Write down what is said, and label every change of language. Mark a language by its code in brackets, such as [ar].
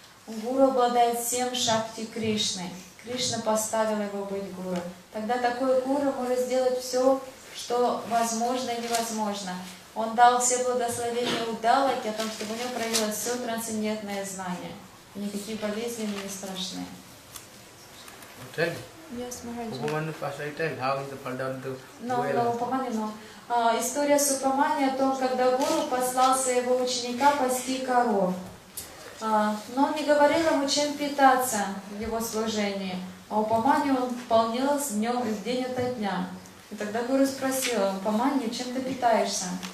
[ru] Гуру обладает всем шакти Кришны. Кришна поставил его быть Гуру. Тогда такой Гуру может сделать все, что возможно и невозможно. Он дал все благословения Удалоке о том, чтобы у него проявилось все трансцендентное знание. И никакие болезни не страшны. [en] Tell. Yes, Maharaj. Upamanyu first I tell how in the fall down to [ru] История с Упамани о том, когда Гуру послал своего ученика пасти коров. Но он не говорил ему, чем питаться в его служении. А Упамани он полнел с днем и в день ото дня. И тогда Гуру спросил: Упамани, чем ты питаешься?